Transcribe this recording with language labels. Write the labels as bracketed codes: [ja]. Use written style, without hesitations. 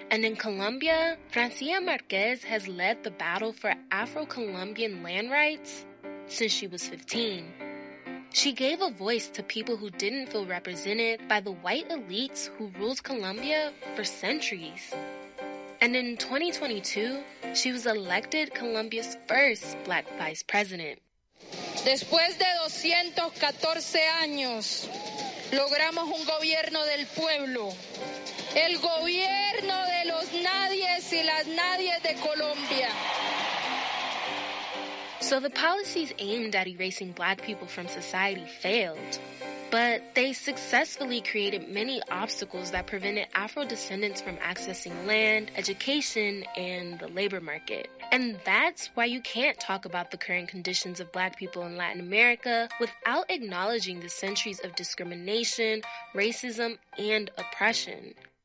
[en] And in Colombia, Francia Marquez has led the battle for Afro-Colombian land rights since she was 15. She gave a voice to people who didn't feel represented by the white elites who ruled Colombia for centuries. And in 2022, she was elected Colombia's first black vice president. [es] Después de 214 años, logramos un gobierno del pueblo. El gobierno de los nadies y las nadies de Colombia. [en] So the policies aimed at erasing black people from society failed, but they successfully created many obstacles that prevented Afro descendants from accessing land, education, and the labor market. And that's why you can't talk about the current conditions of black people in Latin America without acknowledging the centuries of discrimination, racism, and oppression.